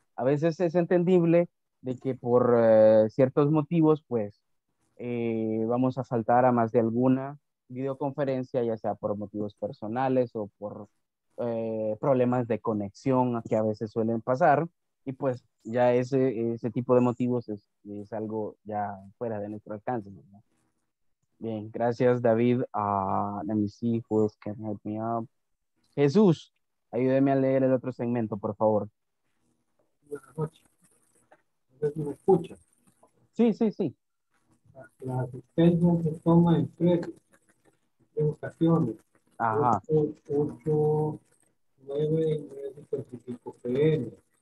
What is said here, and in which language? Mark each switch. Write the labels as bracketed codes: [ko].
[es] A veces es entendible de que por ciertos motivos, pues, vamos a faltar a más de alguna videoconferencia, ya sea por motivos personales o por problemas de conexión que a veces suelen pasar, y pues ya ese tipo de motivos es algo ya fuera de nuestro alcance, ¿no? Bien, gracias David. [en] Let me see who else can help me up. [es] Jesús, ayúdeme a leer el otro segmento, por favor. Buenas noches. ¿Me escucha? Sí, sí, sí. La asistencia se toma en tres educaciones. Ajá. 8, 9 y 9.5 pm.